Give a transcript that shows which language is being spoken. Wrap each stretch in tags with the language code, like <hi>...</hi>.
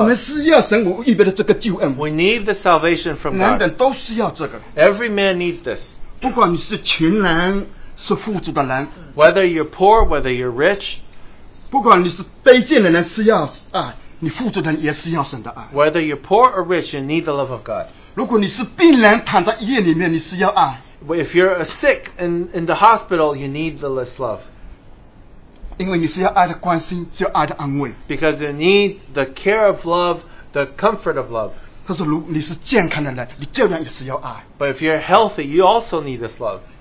<zh>我们需要神我预备的这个救恩,</zh> <en>we need the salvation from God.</en> <zh>男人都需要这个,</zh> <en>every man needs this.</en> <zh>不管你是穷人, 是富足的人,</zh> <en>whether you're poor, whether you're rich,</en> <zh>不管你是卑贱的人, 需要爱, 你富足的人也需要神的爱,</zh> <en>whether you're poor or rich, you need the love of God.</en> <zh>如果你是病人, 躺在医院里面, 你需要爱,</zh> <en>if you're a sick in the hospital, you need the love. Because you need the care of love, the comfort of love. But if you're healthy, you also need this love.</en>